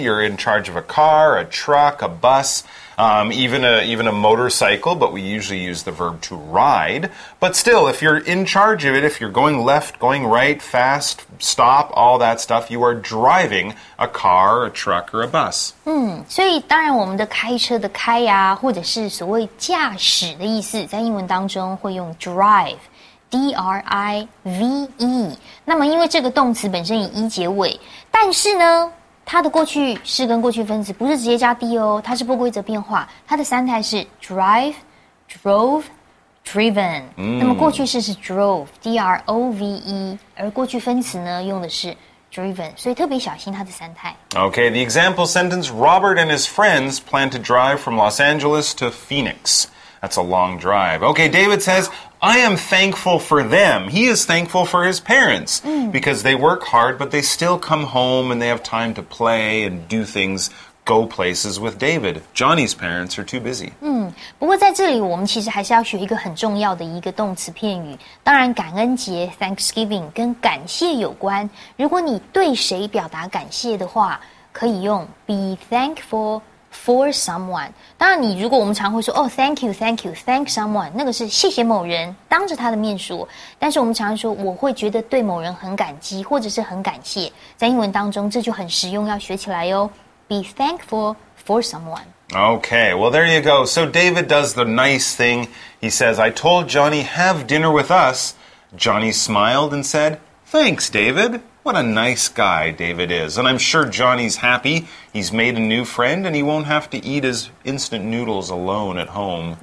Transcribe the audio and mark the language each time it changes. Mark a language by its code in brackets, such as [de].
[en] You're in charge of a car, a truck, a bus, even a motorcycle, but we usually use the verb to ride. But still, if you're in charge of it, if you're going left, going right, fast, stop, all that stuff, you are driving a car, a truck, or a bus. [zh] 所以当然我们的开车的开呀、啊、或者是所谓驾驶的意思在英文当中会用 drive, D-R-I-V-E。那么因为这个动词本身以一结尾，但是呢它的过去式跟过去分词不是直接加 D 哦，它是不规则变化，它的三态是 drive, drove, driven、那么过去式是 drove, D-R-O-V-E, 而过去分词呢用的是 driven, 所以特别小心它的三态。 [en] Okay, the example sentence, Robert and his friends plan to drive from Los Angeles to Phoenix. That's a long drive. Okay, David says, I am thankful for them. He is thankful for his parents because they work hard, but they still come home and they have time to play and do things, go places with David. Johnny's parents are too busy. [zh] 不过在这里我们其实还是要学一个很重要的一个动词片语。当然感恩节 Thanksgiving 跟感谢有关。如果你对谁表达感谢的话可以用 [en] be thankfulFor someone. [zh] 当然你如果我们常会说 [en] Oh, thank you, thank you, thank someone, [zh] 那个是谢谢某人当着他的面说。但是我们常说我会觉得对某人很感激或者是很感谢。在英文当中这就很实用要学起来哟。 [en] Be thankful for someone. Okay, well there you go. So David does the nice thing. He says, I told Johnny have dinner with us. Johnny smiled and said, thanks, David. What a nice guy David is. And I'm sure Johnny's happy. He's made a new friend and he won't have to eat his instant noodles alone at home.